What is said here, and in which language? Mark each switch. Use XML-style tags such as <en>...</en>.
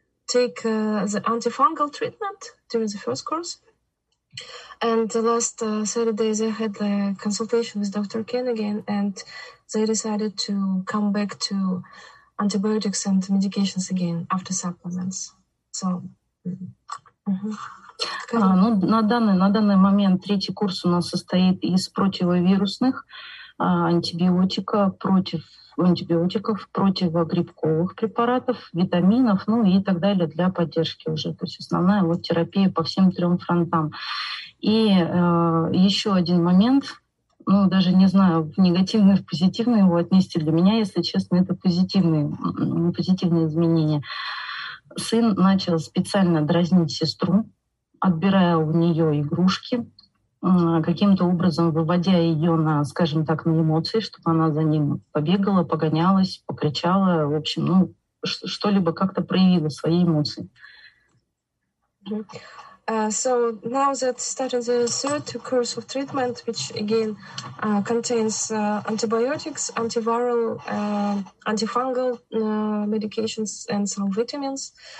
<en>take the antifungal treatment during the first course. And the last Saturday, they had a consultation with Dr. Ken again, and they decided to come back to antibiotics and medications again after supplements. So,</en> <ru>На данный момент третий курс у нас состоит из противовирусных антибиотиков, противогрибковых препаратов, витаминов, ну и так далее для поддержки уже. То есть основная вот терапия по всем трем фронтам. И еще один момент, ну даже не знаю, в негативный, в позитивный его отнести. Для меня, если честно, это позитивные изменения. Сын начал специально дразнить сестру, отбирая у нее игрушки, каким-то образом выводя ее на, скажем так, на эмоции, чтобы она за ним побегала, погонялась, покричала, в общем, ну, что-либо как-то проявила свои эмоции.</ru> <en>So now that started the third course of treatment, which again contains antibiotics, antiviral, antifungal medications and some vitamins.</en>